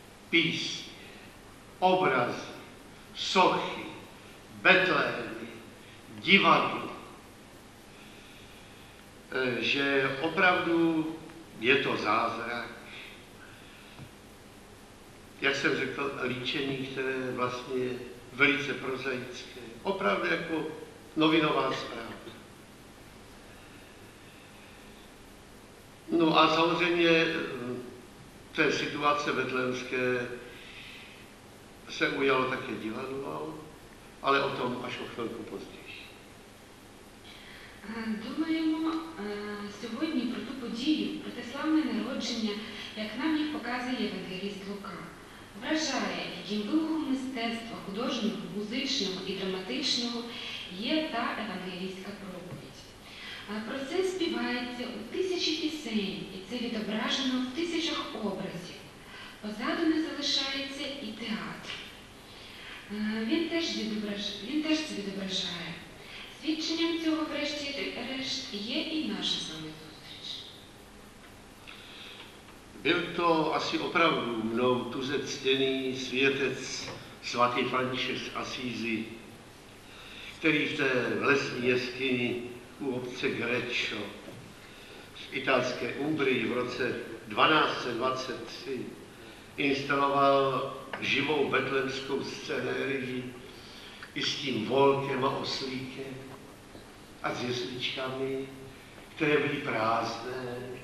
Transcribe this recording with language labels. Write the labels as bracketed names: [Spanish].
[Czech] Písně, obrazy, sochy, betlémy, divadlo, že opravdu je to zázrak, jak jsem řekl, líčení, které je vlastně velice prozaické, opravdu jako novinová zpráva. No a samozřejmě té situace betlémské se ujalo také divadlo, ale o tom až o chvilku později. [Ukrainian] Думаємо сьогодні про ту подію, про те славне народження, як нам їх показує Євангеліст Лука. Вражає, яким духом мистецтва, художнього, музичного і драматичного є та евангелійська проповідь. Про це співається у тисячі пісень, і це відображено в тисячах образів. Позаду не залишається і театр. Він теж це відображає. Свідченням цього, врешті-решт, є і наша саме зустріч. [Czech] Byl to asi opravdu mnou tuze ctěný světec svatý František z Assisi, který v té lesní jeskyni u obce Greccio v italské Umbrii v roce 1223 instaloval živou betlemskou scénérii i s tím volkem a oslíkem a s jesličkami, které byly prázdné,